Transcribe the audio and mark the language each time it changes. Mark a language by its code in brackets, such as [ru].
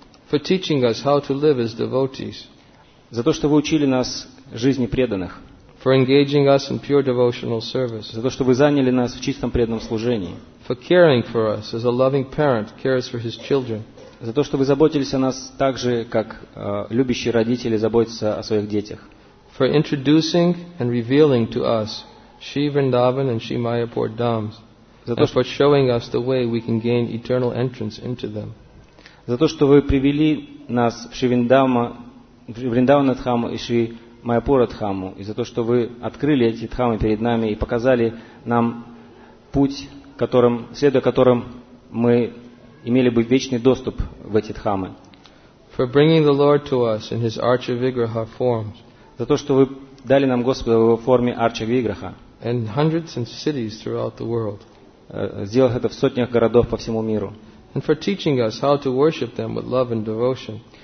[en] For teaching us how to live as devotees. [ru] За то, что вы учили нас жизни преданных. [en] For engaging us in pure devotional service. [ru] За то, что вы заняли нас в чистом преданном служении. [en] For caring for us as a loving parent cares for his children. [ru] За то, что вы заботились о нас так же, как любящие родители заботятся о своих детях. [en] For introducing and revealing to us Shri Vrindavan and Shri Mayapur Dhams, and for showing us the way we can gain eternal entrance into them. [ru] За то, что вы привели нас в Вриндавана Дхаму и Шри Майапура Дхаму, и за то, что вы открыли эти дхамы перед нами и показали нам путь, следуя которым мы имели бы вечный доступ в эти дхамы. [en] For bringing the Lord to us in his Archa Vigraha forms. [ru] За то, что вы дали нам Господа в его форме Арча Виграха. [en] And hundreds of cities throughout the world. [ru] сделав это в сотнях городов по всему миру. [en] And for teaching us how to worship them with love and devotion.